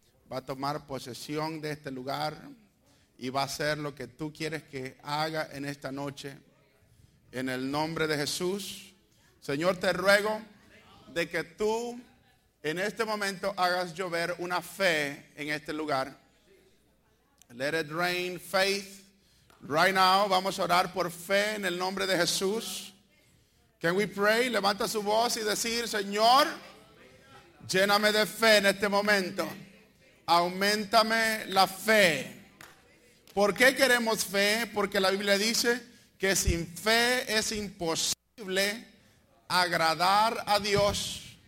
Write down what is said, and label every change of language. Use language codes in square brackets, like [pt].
[es] Va a tomar posesión de este lugar y va a hacer lo que tú quieres que haga en esta noche. En el nombre de Jesús. Señor, te ruego de que tú en este momento hagas llover una fe en este lugar. [en] Let it rain faith right now. [es] Vamos a orar por fe en el nombre de Jesús. [en] Can we pray? [es] Levanta su voz y decir, Señor, lléname de fe en este momento. Aumentame la fe. ¿Por qué queremos fe? Porque la Biblia dice que sin fe es imposible agradar a Dios.